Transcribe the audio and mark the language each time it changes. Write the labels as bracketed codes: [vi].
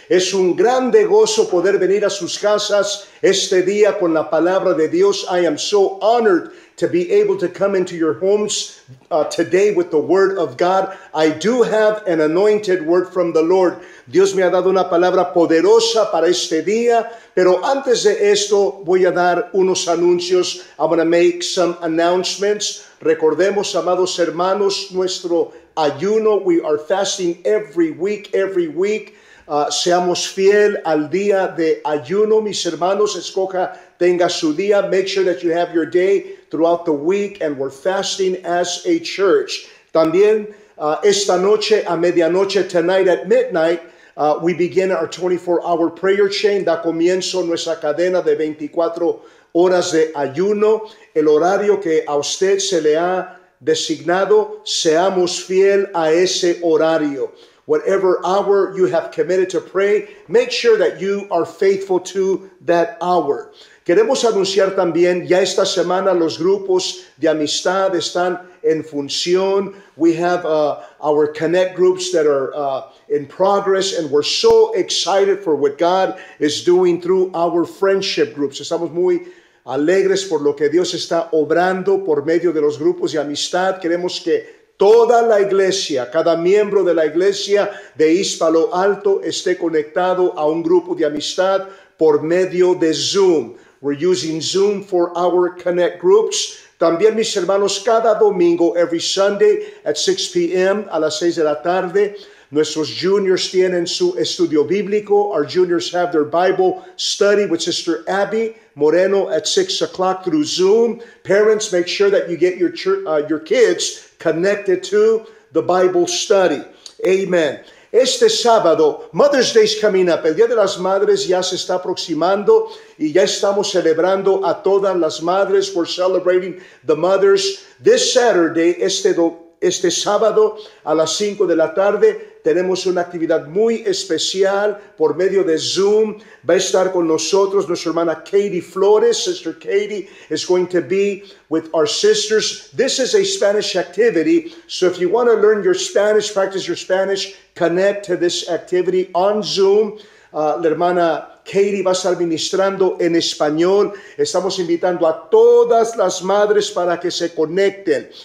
[es] Es un grande gozo poder venir a sus casas este día con la palabra de Dios. [en] I am so honored to be able to come into your homes today with the word of God. I do have an anointed word from the Lord. [es] Dios me ha dado una palabra poderosa para este día. Pero antes de esto, voy a dar unos anuncios. [en] I'm going to make some announcements. [es] Recordemos, amados hermanos, nuestro ayuno. [en] We are fasting every week. [es] Seamos fiel al día de ayuno, mis hermanos. Escoja, tenga su día. [en] Make sure that you have your day throughout the week, and we're fasting as a church. [es] También esta noche a medianoche, [en] tonight at midnight, we begin our 24-hour prayer chain. [es] Da comienzo nuestra cadena de 24 horas de ayuno. El horario que a usted se le ha designado, seamos fiel a ese horario. [en] Whatever hour you have committed to pray, make sure that you are faithful to that hour. [es] Queremos anunciar también, ya esta semana los grupos de amistad están en función. [en] We have our connect groups that are in progress, and we're so excited for what God is doing through our friendship groups. [es] Estamos muy alegres por lo que Dios está obrando por medio de los grupos de amistad. Queremos que toda la iglesia, cada miembro de la iglesia de East Palo Alto, esté conectado a un grupo de amistad por medio de Zoom. [en] We're using Zoom for our connect groups. [es] También, mis hermanos, cada domingo, [en] every Sunday at 6 p.m., [es] a las 6 de la tarde, nuestros juniors tienen su estudio bíblico. [en] Our juniors have their Bible study with Sister Abby Moreno at 6 o'clock through Zoom. Parents, make sure that you get your kids connected to the Bible study. Amen. [es] Este sábado, [en] Mother's Day is coming up. [es] El Día de las Madres ya se está aproximando y ya estamos celebrando a todas las madres. [en] We're celebrating the mothers. This Saturday, [es] este sábado a las 5 de la tarde, tenemos una actividad muy especial por medio de Zoom. Va a estar con nosotros nuestra hermana Katie Flores. [en] Sister Katie is going to be with our sisters. This is a Spanish activity. So if you want to learn your Spanish, practice your Spanish, connect to this activity on Zoom. [es] La hermana Katie va a estar ministrando en español. Estamos invitando a todas las madres para que se conecten.